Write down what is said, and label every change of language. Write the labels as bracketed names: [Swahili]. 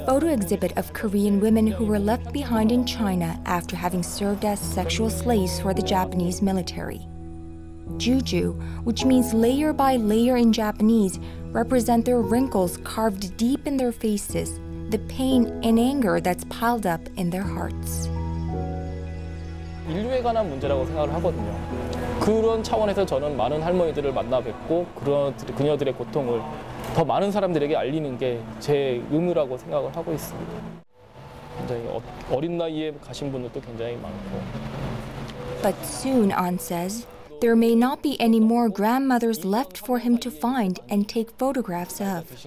[English] photo exhibit of Korean women who were left behind in China after having served as sexual slaves for the Japanese military. juju, which means layer by layer in Japanese, represent their wrinkles carved deep in their faces, the pain and anger that's piled up in their hearts. [Korean] 인류에 관한 문제라고 생각을 하거든요. 그런 차원에서 저는 많은 할머니들을 만나 뵙고 그녀들의 고통을 더 많은 사람들에게 알리는 게 제 의무라고 생각을 하고 있습니다. 굉장히 어린 나이에 가신 분들도 굉장히 많고. [English] But soon, An says, there may not be any more grandmothers left for him to find and take photographs of.